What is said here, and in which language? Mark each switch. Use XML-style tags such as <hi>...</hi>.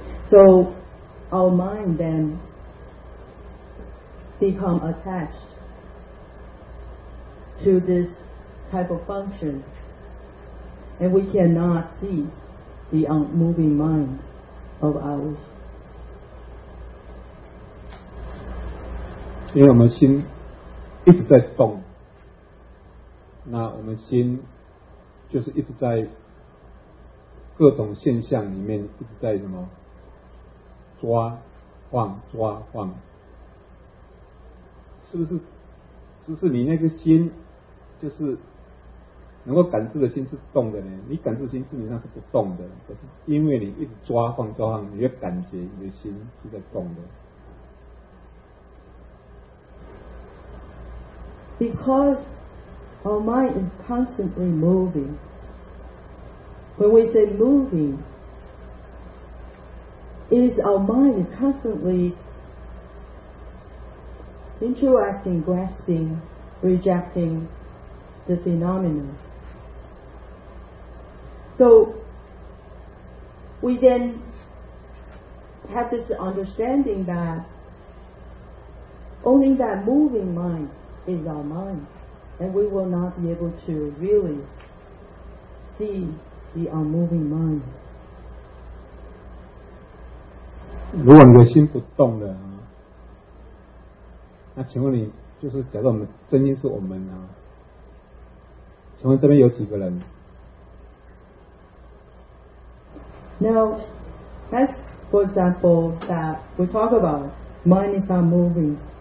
<en>So our mind then become attached to this type of function and we cannot see the unmoving mind of ours.</en> <zh>因为我们心一直在动，那我们心就是一直在各种现象里面一直在什么抓晃抓晃，是不是？是不是你那个心就是能够感知的心是动的呢？你感知的心基本上是不动的，可是因为你一直抓晃抓晃，你就感觉你的心是在动的。</zh> <en>Because our mind is constantly moving, when we say moving, it is our mind constantly interacting, grasping, rejecting the phenomena. So we then have this understanding that only that moving mindis our mind, and we will not be able to really see the unmoving mind.</en> <zh>如果你的心不动的，那请问你，就是假设我们真心是我们啊，请问这边有几个人？</zh> <en>Now, that's for example that we talk about mind is unmoving.</en>